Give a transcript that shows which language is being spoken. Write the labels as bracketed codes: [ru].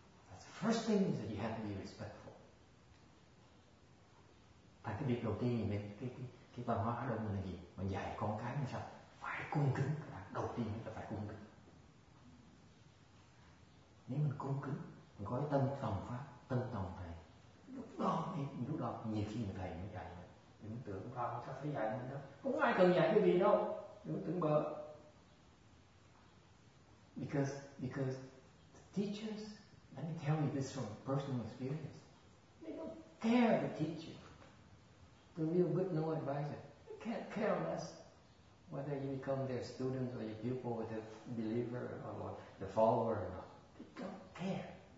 [en] That's the first thing, is that you have to be respectful. [vi] Tại cái việc đầu tiên thì mình cái văn hóa đó mình là gì, mình dạy con cái mình sao phải cung kính. Đầu tiên là phải cung kính. Nếu mình cung kính, mình có cái tâm tòng pháp, tâm tòng thầy, lúc đó nhiều khi người thầy mới dạy mình, đừng tưởng vào sao phải dạy mình đâu, không ai cần dạy cái gì đâu, đừng tưởng bợ. [en] Because the teachers, let me tell you this from personal experience, they don't care the teacher, the real good no advisor, they can't care less whether you become their student or your pupil or the believer or the follower or not, they don't care.